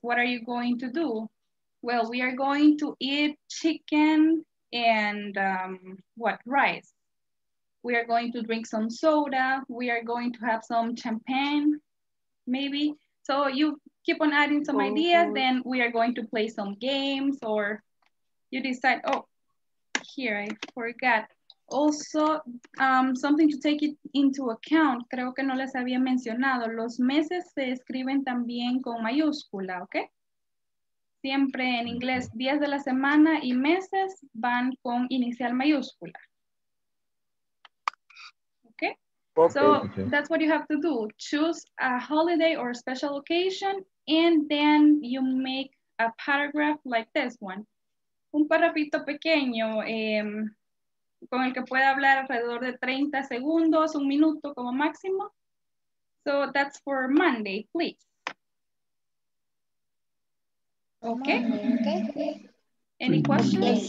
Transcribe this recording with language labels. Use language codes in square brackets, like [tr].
[en] What are you going to do? Well, we are going to eat chicken and rice. We are going to drink some soda. We are going to have some champagne, maybe. So you keep on adding some ideas, then we are going to play some games, or you decide, here, I forgot. Also, something to take it into account, [es] creo que no les había mencionado, los meses se escriben también con mayúscula, ¿ok? Siempre en inglés, días de la semana y meses van con inicial mayúscula. [en] Okay. So that's what you have to do. Choose a holiday or a special occasion, and then you make a paragraph like this one. [es] un párrafito pequeño con el que pueda hablar alrededor de 30 segundos, un minuto como máximo. [en] So that's for Monday, please. Okay. Any questions?